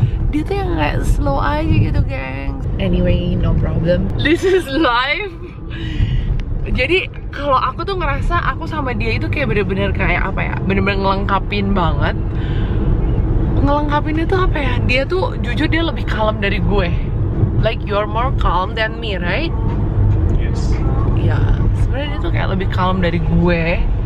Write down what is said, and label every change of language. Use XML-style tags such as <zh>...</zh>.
<id>Dia tuh yang kayak slow aja gitu, geng.</id> <en>Anyway, no problem. This is life.</en> <id>Jadi, kalau aku tuh ngerasa aku sama dia itu kayak bener-bener kayak apa ya, bener-bener ngelengkapin banget. Ngelengkapin itu apa ya? Dia tuh, jujur dia lebih kalem dari gue.</id> <en>Like, you're more calm than me, right? Yes.</en> <id>Ya, sebenarnya dia tuh kayak lebih kalem dari gue.</id>